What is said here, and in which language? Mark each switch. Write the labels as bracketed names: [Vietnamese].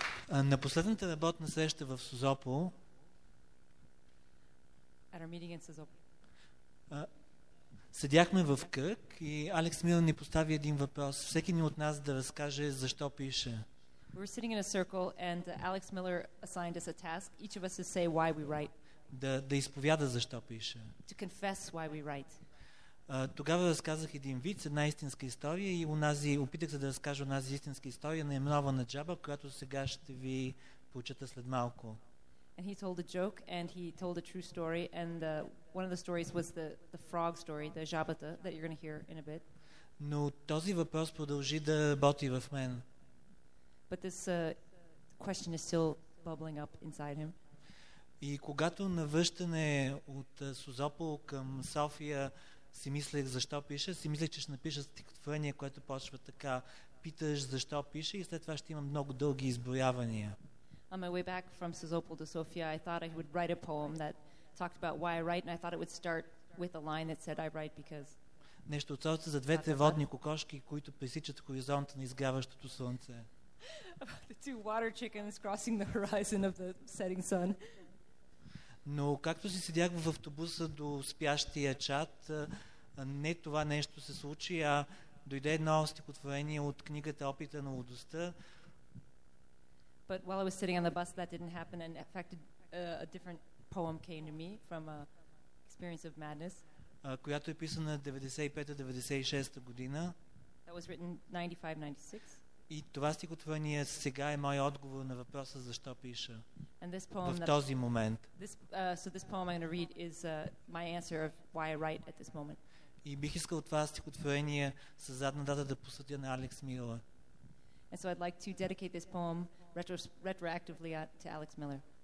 [Bulgarian] На последната работна среща в Созопол. [English] At our meeting in Созопол. [Bulgarian] Седяхме в кръг и Алекс Милън ни постави един въпрос. Всеки ни от нас да разкаже защо пише. [English] We were sitting in a circle and Alex Miller assigned us a task, each of us to say why we write. [Bulgarian] Да изповяда защо пише. [English] To confess why we write. [Bulgarian] Тогава разказах един вид, една истинска история и онази, опитах се да разкажа онази истинска история на Емнована Джаба, която сега ще ви прочета след малко. [English] And he told a joke and he told a true story and one of the stories was the frog story, the Jabata, that you're going to hear in a bit. [Bulgarian] Но този въпрос продължи да работи в мен. [English] But this question is still bubbling up inside him. [Bulgarian] И когато навръщане от Созопол към София си мислех защо пиша, си мислех, че ще напиша стихотворение, което почва така. Питаш защо пиша и след това ще имам много дълги изброявания. [English] On my way back from Созопол to Sofia, I thought I would write a poem that talked about why I write, and I thought it would start with a line that said I write because. [Bulgarian] Нещо от сорта за двете водни кокошки, които пресичат хоризонта на изгряващото слънце. [English] About the two water chickens crossing the horizon of the setting sun. [Bulgarian] Но както си седях в автобуса до спящия чат, не това нещо се случи, а дойде едно стихотворение от книгата Опита на лудостта. [English] But while I was sitting on the bus, that didn't happen, and in fact, a different poem came to me from a experience of madness. [Bulgarian] Която е писана 95-96 година. [English] That was written 95-96. [Bulgarian] И това стихотворение сега е мой отговор на въпроса защо пиша. [English] And this poem. [Bulgarian] В този момент. [English] This poem I'm going to read is my answer of why I write at this moment. [Bulgarian] И бих искал това стихотворение с задна дата да посветя на Алекс Милър. [English] And so I'd like to dedicate this poem retroactively to Alex Miller.